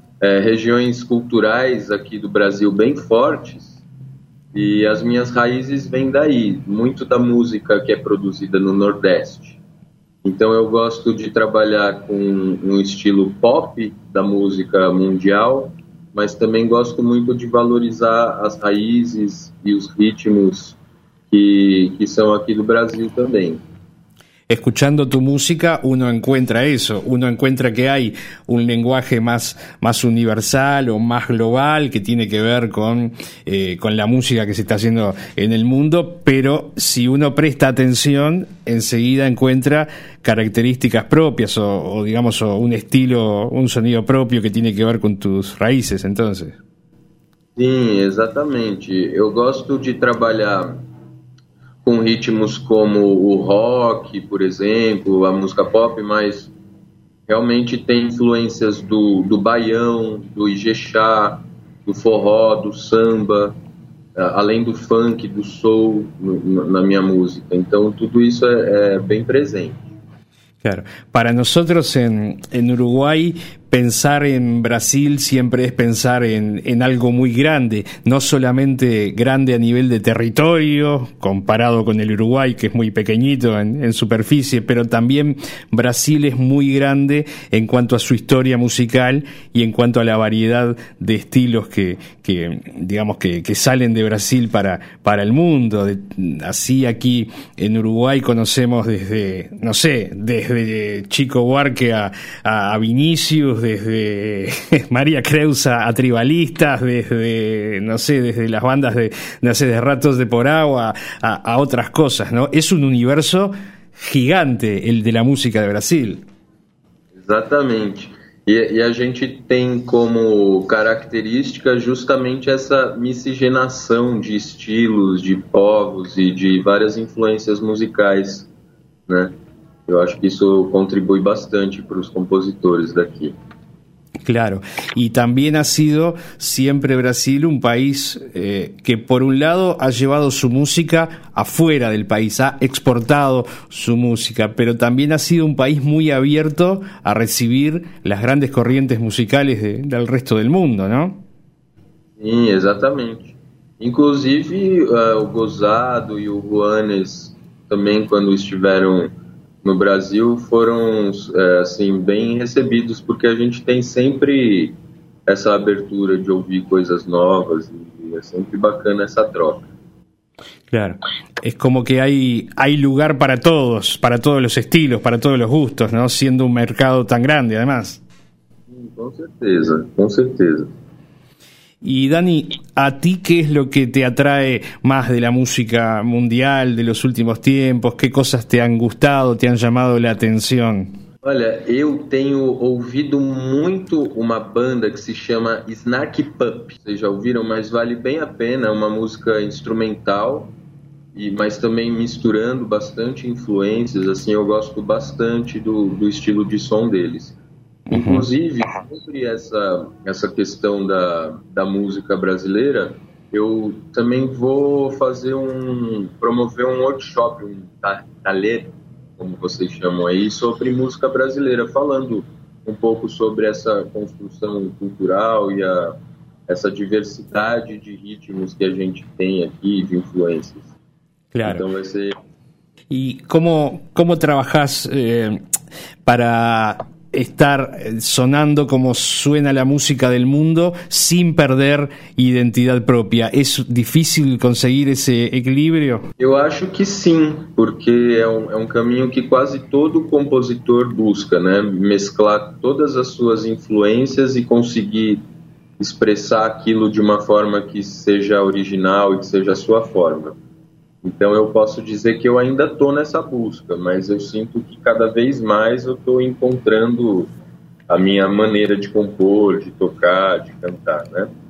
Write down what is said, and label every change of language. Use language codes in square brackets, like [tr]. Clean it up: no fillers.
[pt] regiões culturais aqui do Brasil bem fortes, e as minhas raízes vêm daí, muito da música que é produzida no Nordeste. Então eu gosto de trabalhar com um estilo pop da música mundial, mas também gosto muito de valorizar as raízes e os ritmos que são aqui do Brasil também. [es] Escuchando tu música, uno encuentra eso, uno encuentra que hay un lenguaje más universal o más global que tiene que ver con la música que se está haciendo en el mundo, pero si uno presta atención, enseguida encuentra características propias o digamos o un estilo, un sonido propio que tiene que ver con tus raíces, entonces. Sí, exactamente. [pt] Yo gosto de trabajar com ritmos como o rock, por exemplo, a música pop, mas realmente tem influências do baião, do ijexá, do forró, do samba, além do funk, do soul na minha música. Então tudo isso é bem presente. [es] Claro. Para nosotros en Uruguay, pensar en Brasil siempre es pensar en algo muy grande, no solamente grande a nivel de territorio, comparado con el Uruguay, que es muy pequeñito en superficie, pero también Brasil es muy grande en cuanto a su historia musical y en cuanto a la variedad de estilos que digamos que salen de Brasil para el mundo. Así aquí en Uruguay conocemos desde, no sé, desde Chico Buarque a Vinicius, desde María Creusa a Tribalistas, desde, no sé, desde las bandas de, no sé, de Ratos de Poragua a otras cosas, ¿no? Es un universo gigante el de la música de Brasil. Exactamente. [pt] Y a gente tem como característica justamente essa miscigenação de estilos, de povos e de várias influências musicais, né? Eu acho que isso contribui bastante para os compositores daqui. [es] Claro, y también ha sido siempre Brasil un país que por un lado ha llevado su música afuera del país, ha exportado su música, pero también ha sido un país muy abierto a recibir las grandes corrientes musicales del resto del mundo, ¿no? Sí, exactamente. [pt] Inclusive o Gozado y o Juanes también [es] cuando estuvieron [pt] no Brasil foram assim bem recebidos, porque a gente tem sempre essa abertura de ouvir coisas novas e é sempre bacana essa troca. Claro, é como [es] que hay lugar [pt] para todos os estilos, para todos os gustos, não sendo um mercado tão grande, además. Com certeza, com certeza. [es] Y Dani, ¿a ti qué es lo que te atrae más de la música mundial de los últimos tiempos? ¿Qué cosas te han gustado, te han llamado la atención? [pt] Olha, eu tenho ouvido muito uma banda que se chama Snack Pup. Vocês já ouviram, mas vale bem a pena. É uma música instrumental, mas também misturando bastante influências. Assim, eu gosto bastante do estilo de som deles. Inclusive, sobre essa questão da música brasileira, eu também vou promover um workshop, um taller, como vocês chamam aí, sobre música brasileira, falando um pouco sobre essa construção cultural e essa diversidade de ritmos que a gente tem aqui, de influências. [es] Claro. [pt] Então vai ser... E como trabalhas para... [es] estar sonando como suena la música del mundo sin perder identidad propia. ¿Es difícil conseguir ese equilibrio? Yo acho que sí, porque es un camino que casi todo compositor busca, ¿no? Mezclar todas las suas influencias y conseguir expresar aquilo de una forma que sea original y que sea su forma. [pt] Então eu posso dizer que eu ainda estou nessa busca, mas eu sinto que cada vez mais eu estou encontrando a minha maneira de compor, de tocar, de cantar, né?